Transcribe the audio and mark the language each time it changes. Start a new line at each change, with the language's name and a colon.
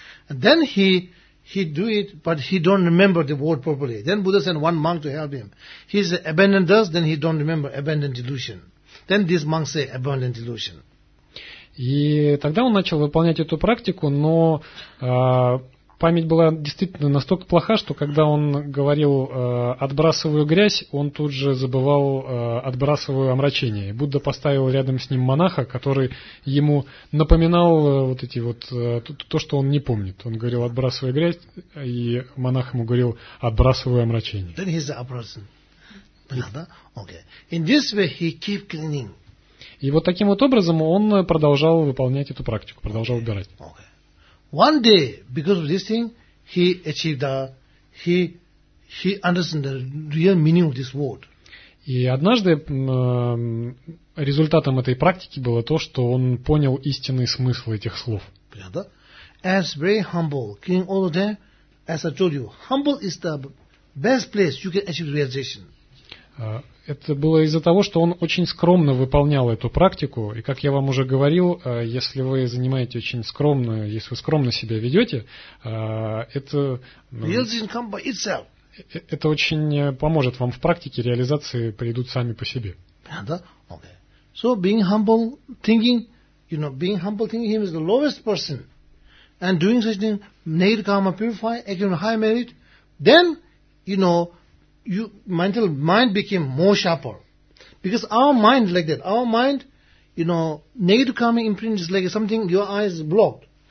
English: Then he do it, but he don't remember the word properly. Then Buddha sent one monk to help him. He says, abandon dust, then he don't remember abandon delusion. Then this monk say abandon delusion.
Russian: И тогда он начал выполнять эту практику, но память была действительно настолько плоха, что когда он говорил «отбрасываю грязь», он тут же забывал «отбрасываю омрачение». Будда поставил рядом с ним монаха, который ему напоминал вот эти вот то, что он не помнит. Он говорил «отбрасываю грязь», и монах ему говорил «отбрасываю омрачение».
English: Then he's abrasin. Понятно? Okay. In this way he keep cleaning.
Russian: И вот таким вот образом он продолжал выполнять эту практику, продолжал убирать.
English: Okay. One day, because of this thing, he achieved he understood the real meaning of this word.
Russian: И однажды результатом этой практики было то, что он понял истинный смысл этих слов.
English: As very humble, clean all of them, as I told you, humble is the best place you can achieve realization.
Russian: Это было из-за того, что он очень скромно выполнял эту практику, и, как я вам уже говорил, если вы занимаете очень скромно, если вы скромно себя ведете, это очень поможет вам в практике, реализации придут сами по себе.
English: Okay. So being humble thinking, you know, being humble thinking him is the lowest person, and doing such thing, negative karma purify, accumulate high merit, then, you know, your mind became more sharper. Because our mind like that. Our mind, you know, negative karma imprint is like something your eyes blocked.